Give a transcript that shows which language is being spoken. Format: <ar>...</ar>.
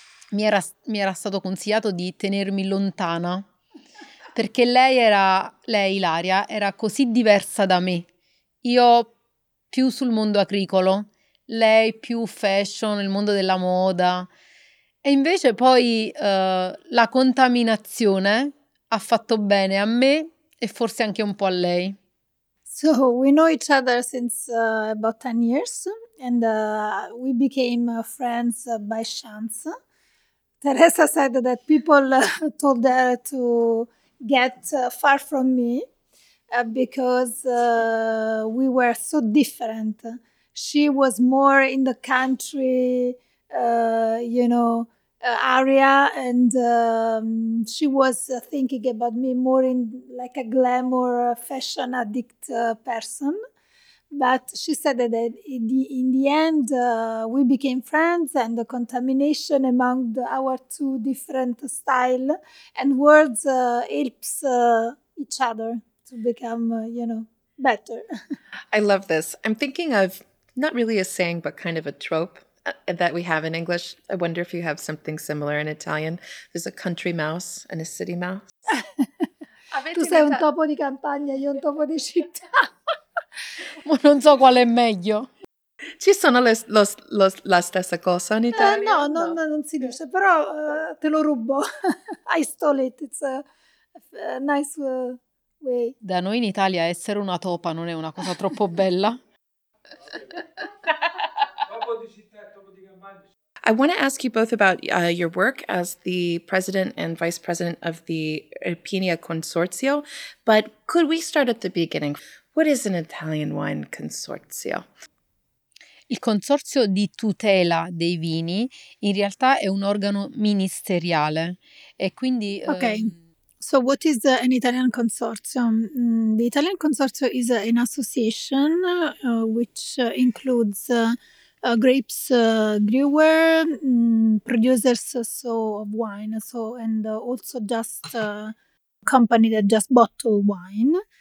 <it>Mi era stato consigliato di tenermi lontana perché Ilaria, era così diversa da me. Io più sul mondo agricolo, lei più fashion, il mondo della moda. E invece poi la contaminazione ha fatto bene a me e forse anche un po' a lei.</it> <en>So we know each other since about 10 years and we became friends by chance. Teresa said that people told her to get far from me because we were so different. She was more in the country, area, and she was thinking about me more in like a glamour, fashion addict person. But she said that in the end, we became friends and the contamination among our two different style and words helps each other to become, better. I love this. I'm thinking of not really a saying, but kind of a trope that we have in English. I wonder if you have something similar in Italian. There's a country mouse and a city mouse.</en> <it>Tu sei un topo di campagna, io un topo di città. Ma non so qual è meglio. Ci sono la stessa cosa in Italia? No, non si dice, però te lo rubo.</it> <en>I stole it, it's a nice way.</en> <it>Da noi in Italia essere una topa non è una cosa troppo bella.</it> <en>I want to ask you both about your work as the president and vice president of the Irpinia Consorzio, but could we start at the beginning? What is an Italian wine consorzio?</en> <it>Il consorzio di tutela dei vini in realtà è un organo ministeriale e quindi...</it> <en>Okay, so what is an Italian consortium? The Italian consortium is an association which includes grapes grower, producers so of wine, so and also just a company that just bottle wine.</en>